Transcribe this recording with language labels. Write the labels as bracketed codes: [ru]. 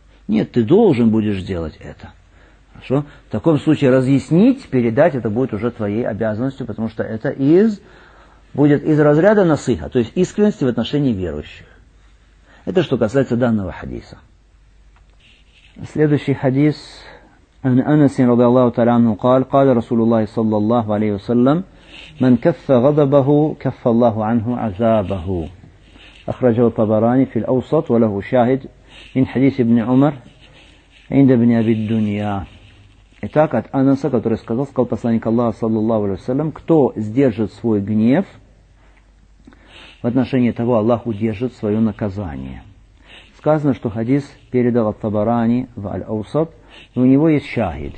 [ru] Нет, ты должен будешь сделать это. Хорошо? В таком случае разъяснить, передать, это будет уже твоей обязанностью, потому что это будет из разряда насыха, то есть искренности в отношении верующих. Это что касается данного хадиса. Следующий хадис. [ar] عن أنس رضي الله تعالى عنه قال قال رسول الله صلى الله عليه وسلم من كف غضبه كف الله عنه عذابه أخرجه الطبراني في الأوسط وله شاهد من حديث ابن عمر عند ابن أبي الدنيا. [ru] Итак, от Анаса, который сказал посланник Аллаха [ar] صلى الله عليه وسلم, [ru] кто сдержит свой гнев в отношении того, Аллах удержит свое наказание. Сказано, что хадис передал ат-Табарани в аль-Аусат, и у него есть шахид.